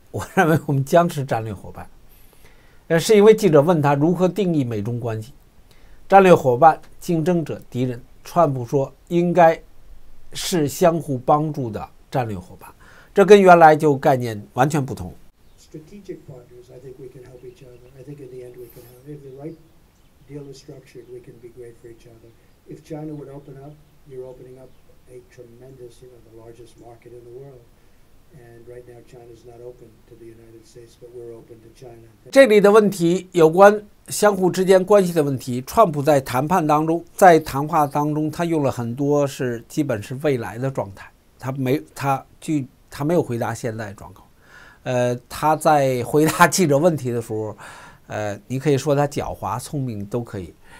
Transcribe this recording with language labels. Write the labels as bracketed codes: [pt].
[zh] 我认为我们将是战略伙伴，是因为记者问他如何定义美中关系，战略伙伴、竞争者、敌人。川普说应该是相互帮助的战略伙伴，这跟原来就概念完全不同。 [en] Strategic partners, I think we can help each other. I think in the end we can help. If the right deal is structured, we can be great for each other. If China would open up, you're opening up. A tremendous, you know, the largest market in the world. And right now, China's not open to the United States, but we're open to China. [zh] 这里的问题有关相互之间关系的问题。川普在谈判当中，在谈话当中，他用了很多是基本是未来的状态。他没有回答现在状况。他在回答记者问题的时候，你可以说他狡猾、聪明都可以。